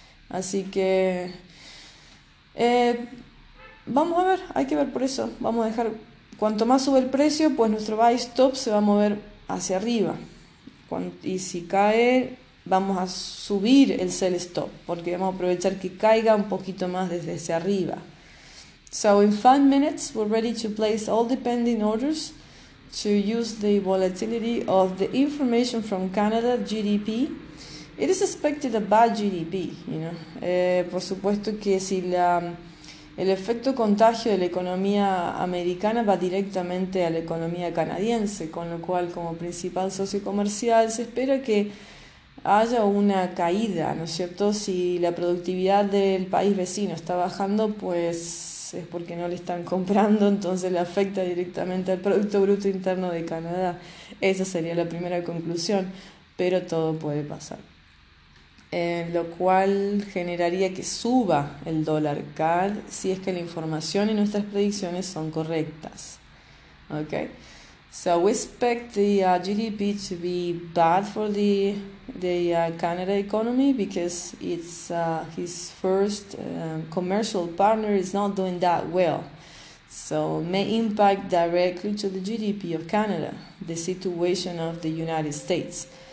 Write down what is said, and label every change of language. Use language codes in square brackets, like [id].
[es] Así que vamos a ver, hay que ver por eso. Vamos a dejar, cuanto más sube el precio, pues nuestro buy stop se va a mover hacia arriba. Y si cae, vamos a subir el sell stop porque vamos a aprovechar que caiga un poquito más desde hacia arriba. [en] So in 5 minutes, we're ready to place all the pending orders. To use the volatility of the information from Canada GDP. It is expected a bad GDP, [es] Por supuesto que si el efecto contagio de la economía americana va directamente a la economía canadiense, con lo cual como principal socio comercial se espera que haya una caída, ¿no es cierto? Si la productividad del país vecino está bajando, pues es porque no le están comprando, entonces le afecta directamente al Producto Bruto Interno de Canadá. Esa sería la primera conclusión, pero todo puede pasar. Lo cual generaría que suba el dólar CAD si es que la información y nuestras predicciones son correctas. [en] Okay. So we expect the GDP to be bad for the Canada economy because it's his first commercial partner is not doing that well. So may impact directly to the GDP of Canada, the situation of the United States.